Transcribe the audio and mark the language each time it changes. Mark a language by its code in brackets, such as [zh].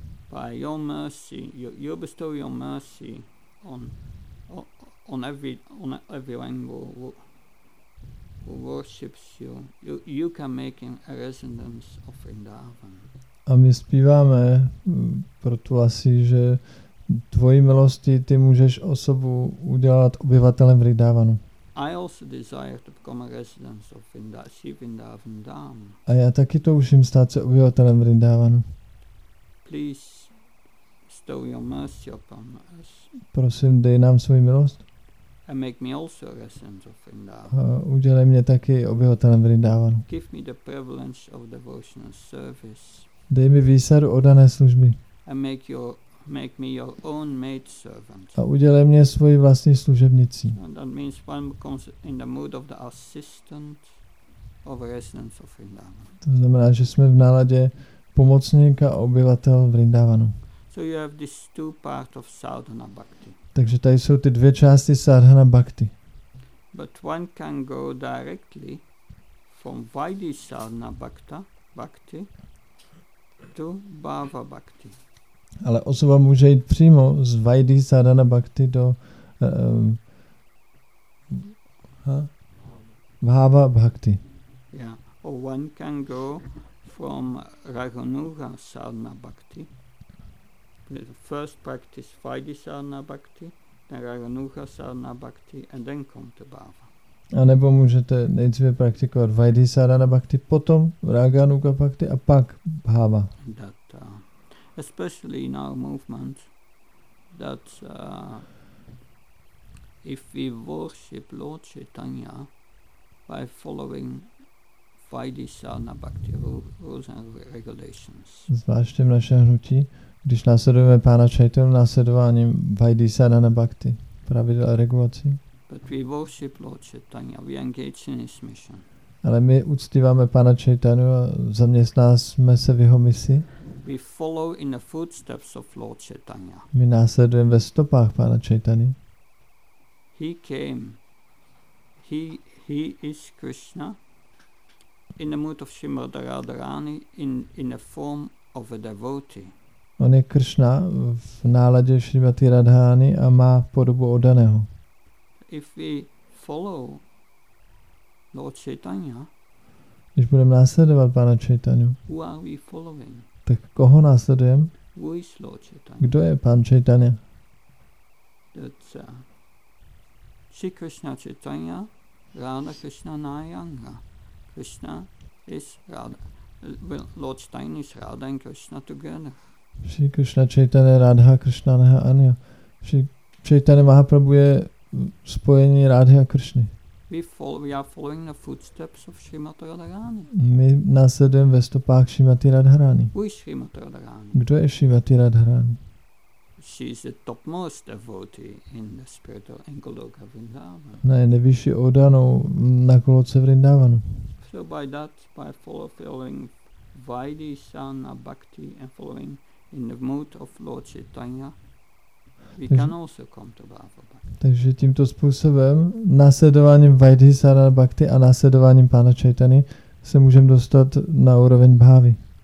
[en] By your mercy, you bestow your mercy on every angle who worships you. You can make him a residence of Vrindavan. [cs] A my zpíváme pro Tulsi, že tvojí milosti ty můžeš osobu udělat obyvatelem Vrindavanu. [en] I also desire to become a resident of Vrindavan Dham. [cs] A já taky toužím stát se obyvatelem Vrindavanu. [en] Please bestow your mercy upon us. [cs] Prosím, dej nám svou milost. [en] And make me also a resident of Vrindavan. [cs] Udělej mě taky obyvatelem Vrindavanu. [en] Give me the privilege of devotional service. [cs] Dej mi výsadu oddané služby. [en] And make your make me your own maid servant. [cs] A udělej mě svoji vlastní služebnicí. [en] And that means one becomes in the mood of the assistant of a resident of Vrindavan. [cs] To znamená, že jsme v náladě pomocníka obyvatel Vrindavanu. [en] So you have these two parts of sadhana bhakti. [cs] Takže tady jsou ty dvě části sadhana bhakti. [en] But one can go directly from vaidhi sadhana bhakti to bhava bhakti. [cs] Ale osoba může jít přímo z vaidhi sadhana bhakti do bhava bhakti. [en] Yeah. Or one can go from Raghunuga sadhana bhakti. The first practice vaidhi sadhana bhakti, then Raghunuga sadhana bhakti and then come to bhava. [cs] A nebo můžete nejdříve praktikovat vaidhi sadhana bhakti, potom Raghunuga bhakti a pak bhava. [en] That, especially in our movement that if we worship Lord Chaitanya by following vaidhi sadhana bhakti rules and regulations. [cs] Zvláště v našem hnutí, když následujeme Pána Chaitanya následováním vaidhi sadhana bhakti, pravidel a regulací. [en] But we worship Lord Chaitanya, we engage in his mission. [cs] Ale my uctíváme Pána Chaitanya a zaměstnáme se v jeho misi. [en] We follow in the footsteps of Lord Chaitanya. [cs] My následujeme ve stopách Pána Chaitany. [en] He came. He is Krishna in the mood of Srimada Radharani in the form of a devotee. [cs] On je Krishna v náladě Srimati Radharani a má podobu oddaného. [en] If we follow Lord Chaitanya, [cs] když budeme následovat Pána Chaitanyu, [en] who are we following? [cs] Tak koho následujeme? [en] Who is Lord Chaitanya? [cs] Kdo je Pán Chaitanya? [en] That's Shri Krishna Chaitanya, Radha Krishna Nayanga. Krishna is Radha. Well, Lord Chaitanya is Radha and Krishna together. [cs] Shri Krishna Chaitanya, Radha Krishna Nayanga. Shri Chaitanya Mahaprabhu je spojení Radhy a Krishny. [en] We are following the footsteps of Srimati Radharani. [cs] My následujeme ve stopách Srimati Radharani. [en] Who is Srimati Radharani? [cs] Kdo je Srimati Radharani? [en] She is the topmost devotee in the spiritual in Goloka Vrindavan. [cs] Ona je nejvyšší oddanou na Goloce Vrindavanu. [en] So by that, by following Vaidhi Sana Bhakti and following in the mood of Lord Chaitanya, we can also come to Bhava Bhakti. [cs] Takže tímto způsobem, následováním Vaidhi Sadhana Bhakti a následováním Pána Chaitany, se můžeme dostat na úroveň Bhavy.